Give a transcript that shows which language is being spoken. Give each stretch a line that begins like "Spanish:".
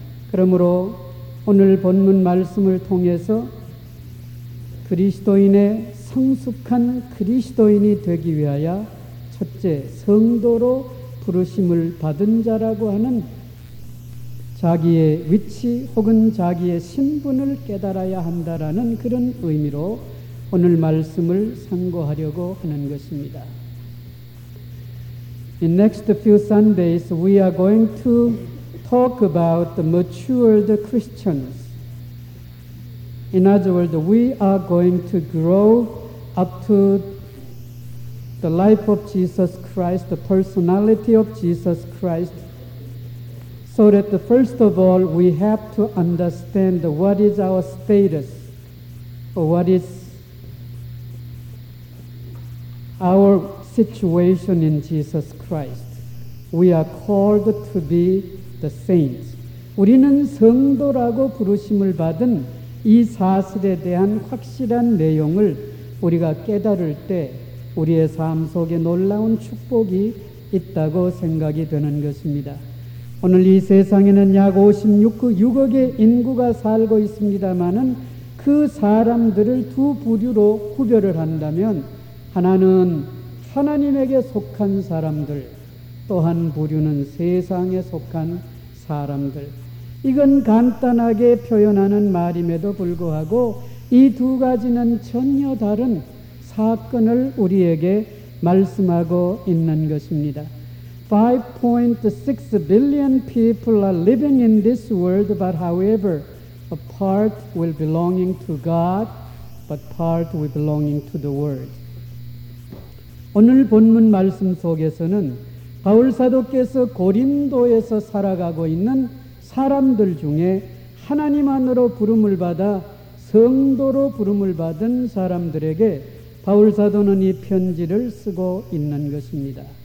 Korean: 그러므로 오늘 본문 말씀을 통해서 그리스도인의 성숙한 그리스도인이 되기 위하여 첫째 성도로 부르심을 받은 자라고 하는 자기의 위치 혹은 자기의 신분을 깨달아야 한다라는 그런 의미로 오늘 말씀을 상고하려고 하는 것입니다.
English: In next few Sundays, we are going to talk about the matured Christians. In other words, we are going to grow up to the life of Jesus Christ, the personality of Jesus Christ, so that the first of all, we have to understand what is our status, or what is our situation in Jesus Christ. We are called to be the saints.
Korean: 우리는 성도라고 부르심을 받은 이 사실에 대한 확실한 내용을 우리가 깨달을 때 우리의 삶 속에 놀라운 축복이 있다고 생각이 되는 것입니다. 오늘 이 세상에는 약 56억의 인구가 살고 있습니다만은 그 사람들을 두 부류로 구별을 한다면 하나는 하나님에게 속한 사람들, 또한 부류는 세상에 속한 사람들. 이건 간단하게 표현하는 말임에도 불구하고 이 두 가지는 전혀 다른 사건을 우리에게 말씀하고 있는 것입니다.
English: 5.6 billion people are living in this world, but however, a part will belonging to God, but part will belonging to the world.
Korean: 오늘 본문 말씀 속에서는 바울사도께서 고린도에서 살아가고 있는 사람들 중에 하나님 안으로 부름을 받아 성도로 부름을 받은 사람들에게 바울 사도는 이 편지를 쓰고 있는 것입니다.